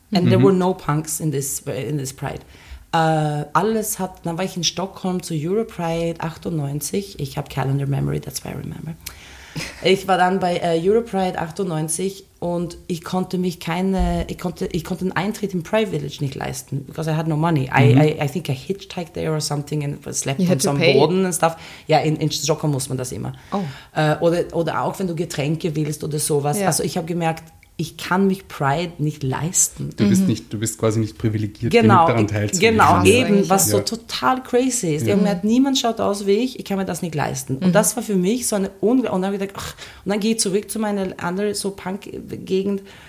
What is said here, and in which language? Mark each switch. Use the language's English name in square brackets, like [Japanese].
[English] And there were no punks in this Pride. [German] Dann war ich in Stockholm zu Euro Pride 98. Ich habe Calendar Memory, [English] that's why I remember. [German] Ich war dann bei Euro Pride 98 und ich konnte mich ich konnte einen Eintritt im Pride Village nicht leisten, [English] because I had no money. I think I hitchhiked there or something and slept on some Boden and stuff. [German] Ja, in Stockholm muss man das immer. Oh. Oder auch wenn du Getränke willst oder sowas. Yeah. Also ich habe gemerkt, ich kann mich Pride nicht leisten. Du bist quasi nicht privilegiert, genau, daran teilzunehmen. Genau, eben, was so total crazy ist. Ja. Niemand schaut aus wie ich, ich kann mir das nicht leisten. Mhm. Und das war für mich so eine Und dann habe ich gedacht, ach, und dann gehe ich zurück zu meiner anderen so Punk-Gegend